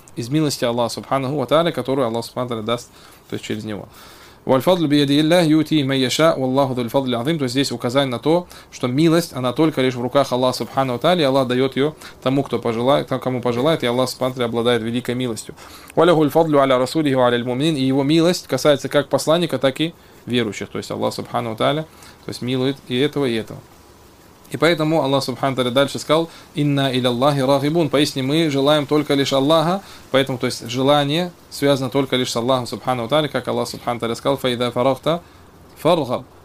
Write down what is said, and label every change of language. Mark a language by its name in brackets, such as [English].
[Russian] Из милости Аллаха Субхану Тааля, которую Аллах Субхану Тааля даст, то есть, через него. [Arabic] والفضل بيد الله يؤتي من يشاء والله ذو الفضل العظيم. [Russian] То есть, здесь указание на то, что милость, она только лишь в руках Аллаха Субхана ва Тааля, и Аллах дает ее тому, кто пожелает, кому пожелает, и Аллах Субхана ва Тааля обладает великой милостью. [Arabic] وله الفضل على رسوله وعلى المؤمنين. [Russian] И его милость касается как посланника, так и верующих. То есть, Аллах Субхана ва Тааля, то есть, милует и этого, и этого. И поэтому Аллах Субхану Тааля дальше сказал: [Arabic] «Инна иля Аллахи рагибун». [Russian] Поистине мы желаем только лишь Аллаха. Поэтому, то есть, желание связано только лишь с Аллахом Субхану Тааля, как Аллах Субхану Тааля сказал: [Arabic] «Фаида фарахта фаргаб